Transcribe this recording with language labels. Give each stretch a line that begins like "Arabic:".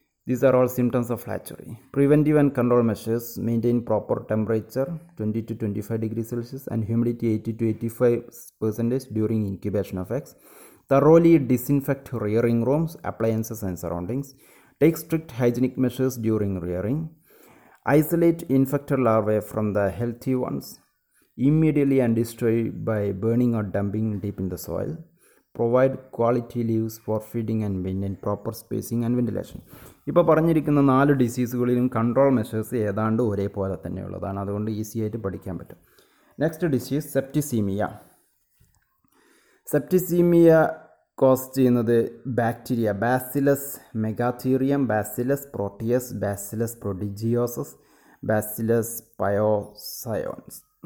English: These are all symptoms of flacherie. Preventive and control measures, maintain proper temperature 20-25 degree Celsius and humidity 80-85% during incubation of eggs. Thoroughly disinfect rearing rooms, appliances and surroundings. Take strict hygienic measures during rearing. Isolate infected larvae from the healthy ones immediately and destroy by burning or dumping deep in the soil. Provide quality leaves for feeding and maintain proper spacing and ventilation.
Malayalam: ഇപ്പോൾ പറഞ്ഞിരിക്കുന്ന നാല് ഡിസീസുകളിലും control measures ഏതാണ്ട് ഒരേപോലെ തന്നെയുള്ളതാണ്, അതുകൊണ്ട് easy ആയിട്ട് പഠിക്കാൻ പറ്റും. Next disease septicaemia. Septicaemia cos ചെയ്യുന്നത് bacteria, bacillus മെഗാതീറിയം, bacillus Proteus, bacillus പ്രൊഡിജിയോസസ്, bacillus പയോസയോൻസ്.